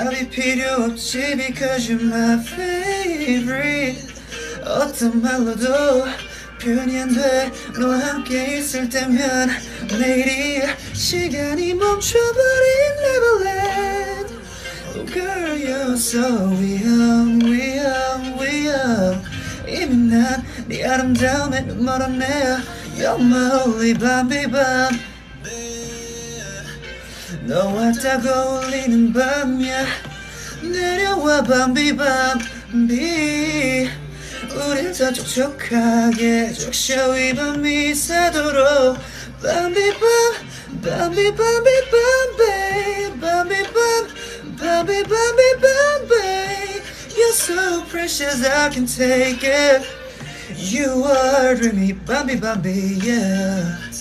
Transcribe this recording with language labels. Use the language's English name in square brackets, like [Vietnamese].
[Korean] 필요 없지 [English] because you're my favorite. [Korean] 어떤 말로도 표현이 안 돼. 너와 함께 있을 때면 내일이 시간이 멈춰버린 Neverland. [English] Oh girl you're so young, young, young. [Korean] 이미 난 네 아름다움에 눈멀었네요. [English] You're my only Bambi Bam. [Korean] 너와 딱 어울리는 밤이야. 내려와 밤비 밤비 우릴 더 촉촉하게 적셔 위 밤이 새도록 밤비 밤 밤비 밤비 밤비 밤비 밤 밤비 밤비 밤비 [English] You're so precious I can take it You are dreamy [Korean] 밤비 밤비 yeah